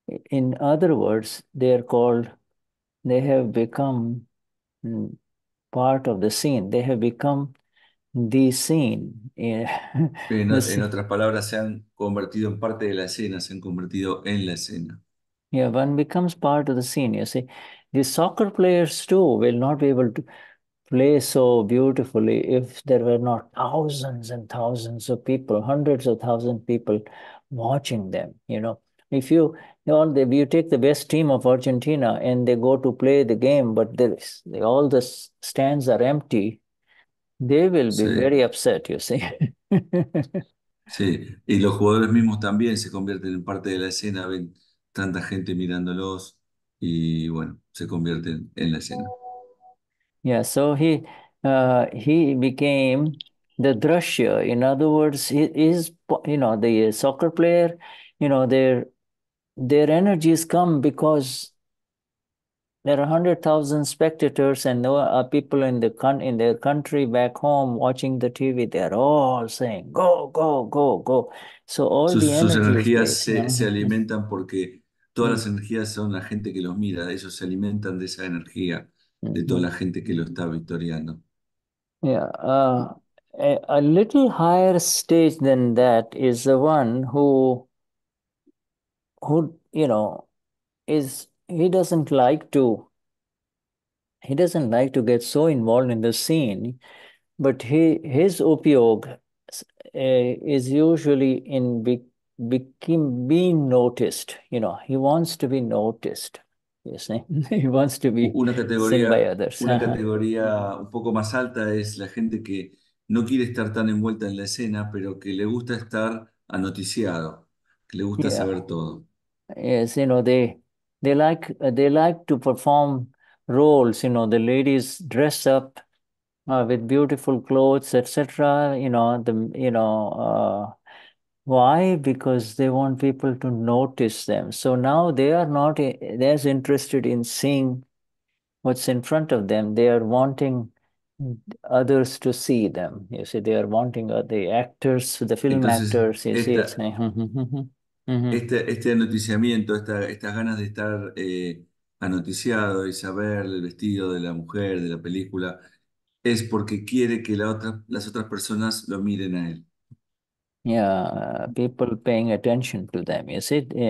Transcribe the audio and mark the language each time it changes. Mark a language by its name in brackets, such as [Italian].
[English] In other words, they are called, they have become part of the scene. They have become the scene. [Spanish] En otras palabras, se han convertido en parte de la escena, se han convertido en la escena. [English] Yeah, one becomes part of the scene, you see. The soccer players too will not be able to play so beautifully if there were not thousands and thousands of people, hundreds of thousands of people watching them, you know. If you, all the, you take the best team of Argentina and they go to play the game, but all the stands are empty, they will be very upset, you see. [Spanish] Sí, y los jugadores mismos también se convierten en parte de la escena, ven tanta gente mirándolos y bueno, se convierten en la escena. [English] Yeah, so he became the drushya. In other words, he is, you know, the soccer player, you know, their energies come because there are 100,000 spectators and there are people in their country back home watching the TV. They are all saying, go, go, go, go. So all [Spanish] sus, [English] the [Spanish] sus energías base, se alimentan porque todas las energías son la gente que los mira. Ellos se alimentan de esa energía, de toda la gente que lo está victoriando. [English] A little higher stage than that is the one who, you know, is, he doesn't like to get so involved in the scene, but his upyog is usually in being noticed, you know, he wants to be noticed, you see, he wants to be seen by others. [Spanish] Una categoría un poco más alta es la gente que no quiere estar tan envuelta en la escena, pero que le gusta estar anoticiado, que le gusta saber todo. [English] Yes, you know, they like to perform roles, you know, the ladies dress up with beautiful clothes, etc., you know, the, you know, why? Because they want people to notice them. So now they are not as interested in seeing what's in front of them. They are wanting others to see them. You see, they are wanting the actors, the film [Spanish] Entonces, [English] actors, you see, it's [Spanish] Este anoticiamiento, estas ganas de estar anoticiado y saber el vestido de la mujer, de la película, es porque quiere que las otras personas lo miren a él. [English] Yeah, people paying attention to them, you see.